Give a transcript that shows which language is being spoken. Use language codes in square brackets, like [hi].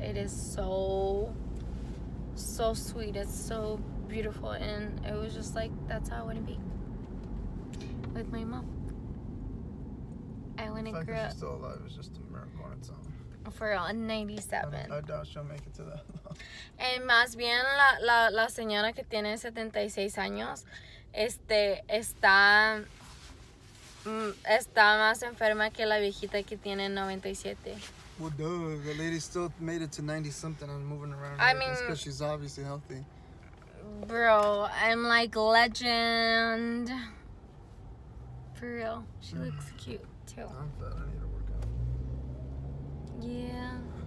[en] It is so, so sweet. It's so beautiful, and it was just like, that's how I want to be with my mom. I want to grow up. She's still alive. It's just a miracle on its own. For real, 97. I doubt she'll make it to that long. And [es] más bien, la señora que tiene 76 años, está más enferma que la viejita que tiene 97. [en] Well, duh, the lady still made it to 90-something and moving around. I mean, because she's obviously healthy. Bro, I'm like legend. For real, she looks cute, too. I'm fat, I need her. Yeah.